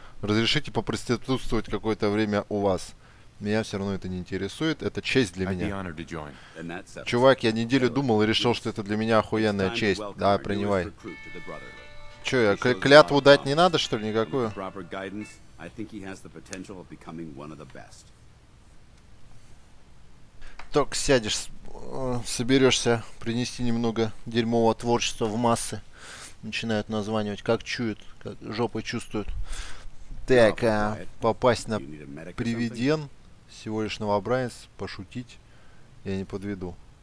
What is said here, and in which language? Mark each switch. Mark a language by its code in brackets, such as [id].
[ru] Разрешите попроституствовать какое-то время у вас. Меня все равно это не интересует, это честь для меня. Чувак, я неделю думал и решил, что это для меня охуенная честь. Да, принимай. Че, я клятву дать не надо, что ли, никакую? [en] I think he has the potential of becoming one of the best. [ru] Только сядешь, соберешься принести немного дерьмового творчества в массы. Начинают названивать, как чуют, как жопой чувствуют. Так, а попасть на привиден, всего лишь новобранец, пошутить, я не подведу.